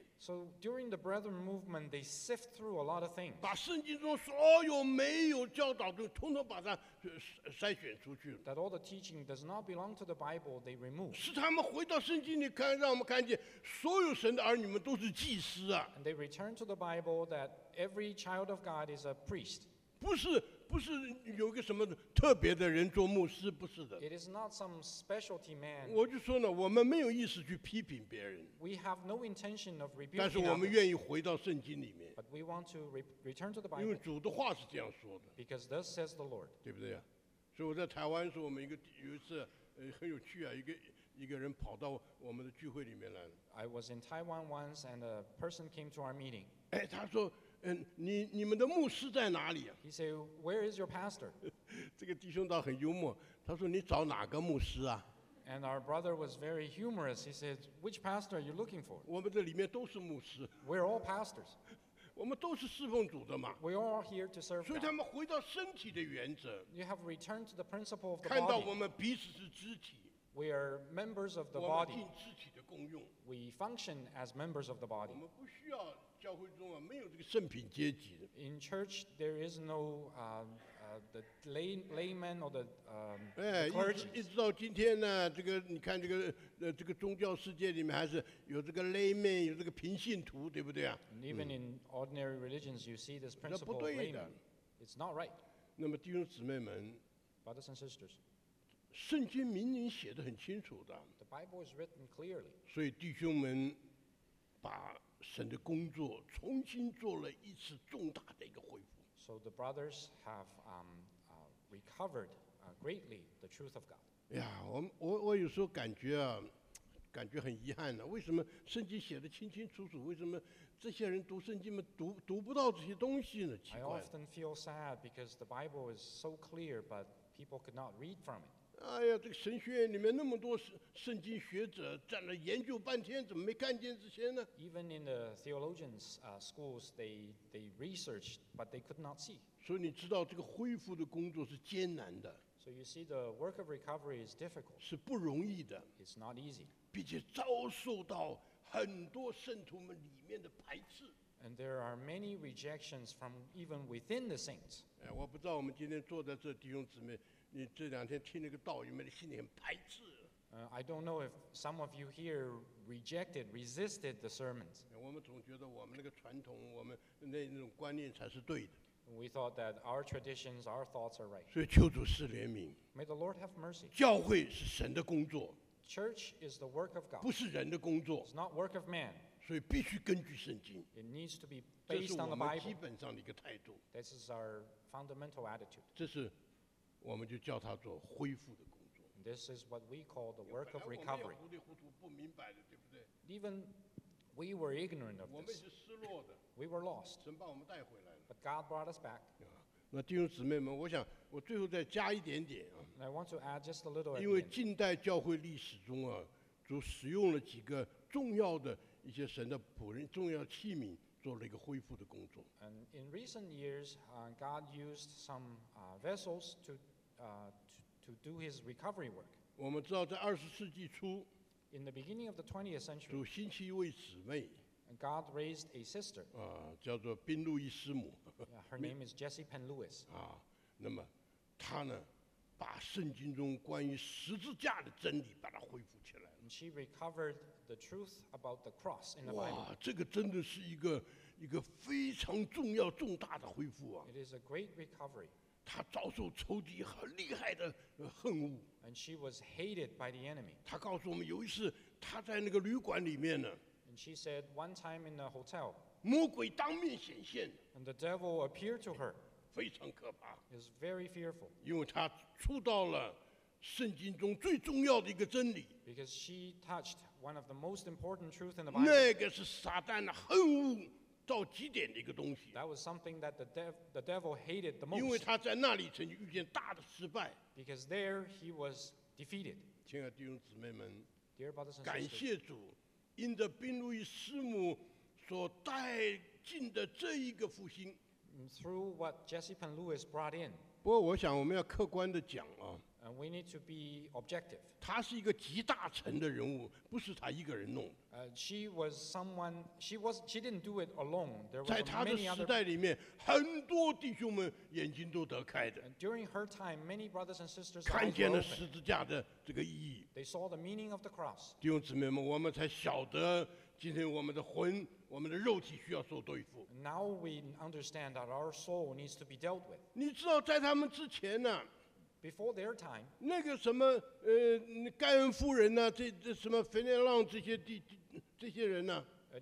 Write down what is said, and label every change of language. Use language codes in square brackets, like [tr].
[en] So during the Brethren movement, they sift through a lot of things. [zh] 把圣经中所有没有教导的，统统把它筛选出去。 [en] That all the teaching does not belong to the Bible, they remove. [zh] 是他们回到圣经里看，让我们看见所有神的儿女们都是祭司啊。 [en] And they return to the Bible that every child of God is a priest. [zh] 不是有个什么特别的人做牧师，不是的。 [en] It is not some specialty man. [zh] 我就说呢，我们没有意思去批评别人。 [en] We have no intention of rebuking. [zh] 但是我们愿意回到圣经里面。 [en] But we want to return to the Bible. [zh] 因为主的话是这样说的。 [en] Because thus says the Lord. [zh] 对不对啊？所以我在台湾的时候，我们有一次很有趣啊，一个人跑到我们的聚会里面来了。 [en] I was in Taiwan once, and a person came to our meeting. [zh] 哎，他说。你们的牧师在哪里、啊、 [en] ？He said, "Where is your pastor?" [zh] 这个弟兄倒很幽默，他说：“你找哪个牧师啊 [en] And our brother was very humorous. He said, which pastor are you looking for? [zh] 我们这里面都是牧师。 [en] We're all pastors. [zh] 我们都是侍奉主的嘛。 [en] We are all here to serve God. [zh] 所以他们回到身体的原则。 [en] You have returned to the principle of the body. [zh] 看到我们彼此是肢体。 [en] We are members of the body. [zh] 我们尽肢体的功用。 [en] We function as members of the body. [zh] 我们不需要教会中啊，没有这个圣品阶级的。 [en] In church, there is no the layman or the clergy. [zh] 一直到今天呢，这个你看这个这个宗教世界里面还是有这个 layman， 有这个平信徒，对不对啊？ [en] Even in ordinary religions, you see this principle of layman. [zh] 那不对的。 [en] It's not right. [zh] 那么弟兄姊妹们 [en] ，brothers and sisters， [zh] 圣经明明写得很清楚的。 [en] The Bible is written clearly. [zh] 所以弟兄们把神的工作重新做了一次重大的一个恢复。 [en] So the brothers have recovered greatly the truth of God. [zh] 哎呀，我有时候感觉啊，感觉很遗憾呢、啊。为什么圣经写的清清楚楚？为什么这些人读圣经嘛，读不到这些东西呢？奇怪。 [en] I often feel sad because the Bible is so clear, but people could not read from it. [zh] 哎呀，这个神学院里面那么多圣经学者站了研究半天，怎么没看见这些呢 [en] ？Even in the theologians' schools, they researched, but they could not see. [zh] 所以你知道这个恢复的工作是艰难的。 [en] So you see, the work of recovery is difficult. [zh] 是不容易的。 [en] It's not easy. [zh] 并且遭受到很多圣徒们里面的排斥。 [en] And there are many rejections from even within the saints. [zh] 哎，我不知道我们今天坐在这弟兄姊妹。你这两天听那个道，有没有心里很排斥？ [en] I don't know if some of you here resisted the sermons. [zh] 我们总觉得我们那个传统，我们那种观念才是对的。 [en] We thought that our traditions, our thoughts are right. [zh] 所以求主赐怜悯。 [en] May the Lord have mercy. [zh] 教会是神的工作。 [en] Church is the work of God. [zh] 不是人的工作。 [en] It's not work of man. [zh] 所以必须根据圣经。 [en] It needs to be based on the Bible. [zh] 这是我们基本上的一个态度。 [en] This is our fundamental attitude. [zh] 这是。我们就叫他做恢复的工作。 [en] This is what we call the work of recovery. [zh] 本来我们也糊里糊涂不明白的，对不对 [en] ？Even we were ignorant of this. [zh] 我们是失落的。 [en] We were lost. [zh] 神把我们带回来了。 [en] But God brought us back. [zh] 那弟兄姊妹们，我想我最后再加一点点啊。 [en] I want to add just a little. [zh] 因为近代教会历史中啊，主使用了几个重要的一些神的仆人、重要器皿。 [en] And in recent years, God used some vessels to do His recovery work. [zh] 我们知道在二十世纪初 [en] ，in the beginning of the 20th century, [zh] 主兴起一位姊妹 [en] ，God raised a sister. [zh] 啊，叫做宾路易师母。 [en] Her name is Jesse Penn Lewis. [zh] 啊，那么她呢，把圣经中关于十字架的真理把它恢复起来。 [en] And she recovered the truth about the cross in the Bible. [zh] 哇，这个真的是一个非常重要重大的恢复啊！ [en] It is a great recovery. [zh] 她遭受仇敌很厉害的恨恶。 [en] And she was hated by the enemy. [zh] 她告诉我们，有一次她在那个旅馆里面呢。 [en] And she said one time in the hotel. [zh] 魔鬼当面显现。 [en] And the devil appeared to her. [zh] 非常可怕。 [en] It was very fearful. [zh] 因为她触到了。圣经中最重要的一个真理 [en] ，because she touched one of the most important truth in the Bible. [zh] 那个是撒旦恨恶到极点的一个东西。 [en] That was something that the devil hated the most. [zh] 因为他在那里曾经遇见大的失败。 [en] Because there he was defeated. [zh] 亲爱的弟兄姊妹们 [en] ，Dear brothers and sisters, [zh] 感谢主，因着宾路易师母所带进的这一个复兴。 [en] Through what Jesse Penn Lewis brought in. [zh] 不过我想我们要客观的讲啊。 [en] And we need to be objective. [zh] 他是一个集大成的人物，不是他一个人弄。 [en] She was someone. She didn't do it alone. There were many other. [zh] 在他的时代里面，很多弟兄们眼睛都得开的。 [en] During her time, many brothers and sisters [zh] 看见了十字架的这个意义。 [en] They saw the meaning of the cross. [zh] 弟兄姊妹们，我们才晓得今天我们的魂、我们的肉体需要受对付。 [en] Now we understand that our soul needs to be dealt with. [zh] 你知道，在他们之前呢？ [en] Before their time, [zh] 那个什么盖恩夫人呢、啊？这什么菲内朗这些人呢、啊、